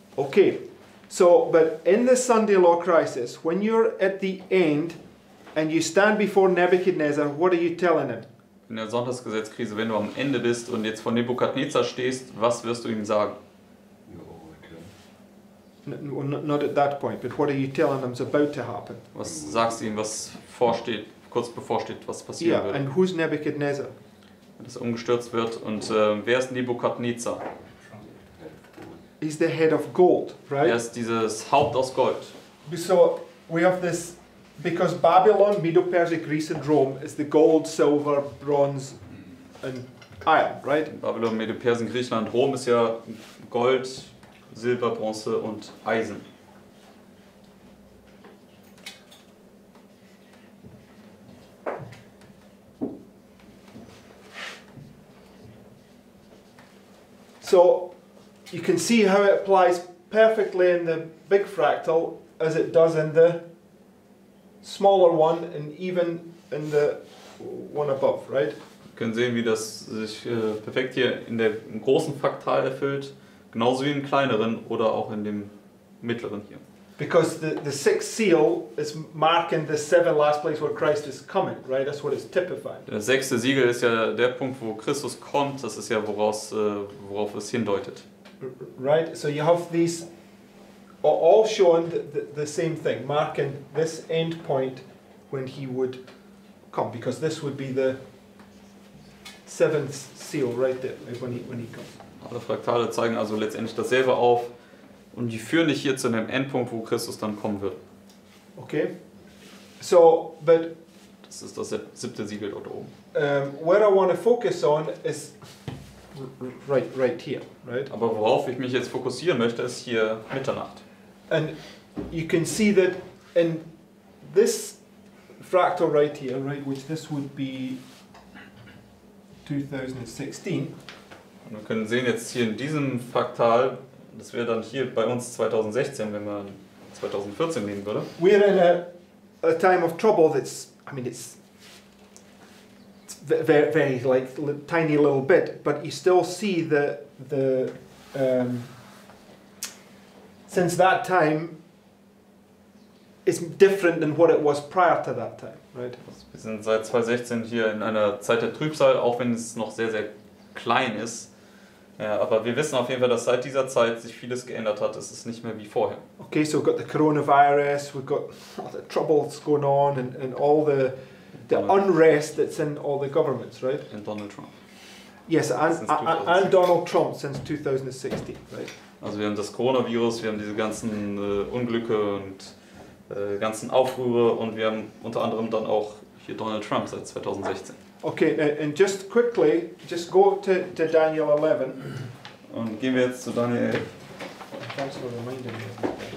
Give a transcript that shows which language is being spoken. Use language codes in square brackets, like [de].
[en] Okay, so, but in the Sunday law crisis, when you're at the end and you stand before Nebuchadnezzar, what are you telling him? [de] In der Sonntagsgesetzkrise, wenn du am Ende bist und jetzt vor Nebukadnezar stehst, was wirst du ihm sagen? [en] Not at that point, but what are you telling them is about to happen? [de] Was sagst du ihnen, was vorsteht, kurz bevorsteht, was passieren wird? [en] Yeah, and who's Nebuchadnezzar? [de] Dass er umgestürzt wird. Und wer ist Nebukadnezar? [en] He's the head of gold, right? [de] Er ist dieses Haupt aus Gold. [en] So we have this, because Babylon, Medo-Persia, Greece and Rome is the gold, silver, bronze and iron, right? [de] Babylon, Medo-Persia, Griechenland, Rom ist ja Gold, Silber, Bronze und Eisen. [en] So, you can see how it applies perfectly in the big fractal as it does in the smaller one and even in the one above, right? [de] Wir können sehen, wie das sich perfekt hier in der großen Fraktal erfüllt, genauso wie im kleineren oder auch in dem mittleren hier. [en] Because the sixth seal is marking the seventh last place where Christ is coming, right? That's what it's typifying. [de] Der sechste Siegel ist ja der Punkt, wo Christus kommt. Das ist ja worauf es hindeutet. [en] Right. So you have these all showing the same thing, marking this end point when he would come, because this would be the seventh seal right there, like when he comes. [de] Alle Fraktale zeigen also letztendlich dasselbe auf. Und die führen dich hier zu dem Endpunkt, wo Christus dann kommen wird. [en] Okay. So, but [de] das ist das siebte Siegel dort oben. [en] Where I want to focus on is right here, right? [de] Aber worauf ich mich jetzt fokussieren möchte, ist hier Mitternacht. [en] And you can see that in this fractal right here, right, which this would be 2016. [de] Und wir können sehen jetzt hier in diesem Fraktal. Das wäre dann hier bei uns 2016, wenn man 2014 nehmen würde. [en] We're in a time of trouble that's, I mean, it's very, very, like, tiny little bit, but you still see the since that time, it's different than what it was prior to that time, right? [de] Wir sind seit 2016 hier in einer Zeit der Trübsal, auch wenn es noch sehr, sehr klein ist. Ja, aber wir wissen auf jeden Fall, dass seit dieser Zeit sich vieles geändert hat. Es ist nicht mehr wie vorher. [en] Okay, so we've got the coronavirus, we've got all the troubles going on and all the unrest that's in all the governments, right? And Donald Trump. Yes, and Donald Trump since 2016, right? [de] Also wir haben das Coronavirus, wir haben diese ganzen Unglücke und ganzen Aufrühre und wir haben unter anderem dann auch hier Donald Trump seit 2016. [en] Okay, and just quickly, just go to Daniel 11. [de] Und gehen wir jetzt zu Daniel 11. [en] Thanks for reminding me.